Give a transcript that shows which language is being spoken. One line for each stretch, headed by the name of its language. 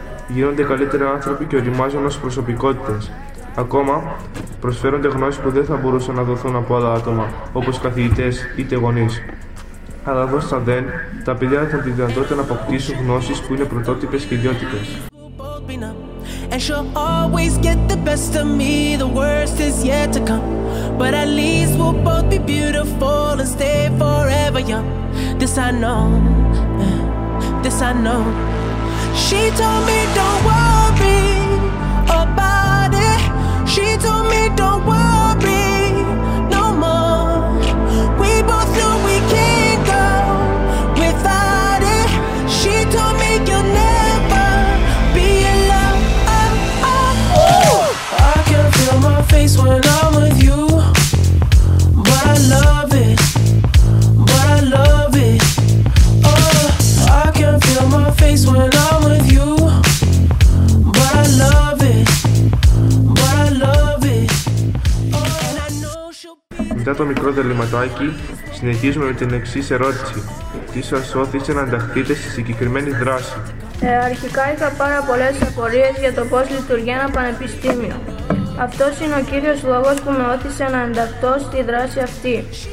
Greek: Γίνονται καλύτεροι άνθρωποι και οριμάζονται ως προσωπικότητες. Ακόμα, προσφέρονται γνώσεις που δεν θα μπορούσαν να δοθούν από άλλα άτομα, όπως καθηγητές είτε γονείς. Αλλά εδώ στα ΔΕΝ, τα παιδιά έχουν τη δυνατότητα να αποκτήσουν γνώσεις που είναι πρωτότυπες και ιδιότητες.
English: And she'll always get the best of me. The worst is yet to come. But at least we'll both be beautiful and stay forever young. This I know, this I know. She told me don't worry about it. She told me don't worry no more. We both know we can't go without it. She told me you'll never. When I'm with you, but I love it, but I love it. Oh, I can feel my face when I'm with you, but I love it, but I love it.
Greek: Μετά το μικρό διαλυματάκι, συνεχίζουμε με την εξής ερώτηση. Τι σας ώθησε να ενταχθείτε στη συγκεκριμένη δράση? Αρχικά είχα πάρα πολλές απορίες για το πώς λειτουργεί ένα πανεπιστήμιο. Αυτός είναι ο κύριος λόγος που με ώθησε να ενταχθώ στη δράση αυτή.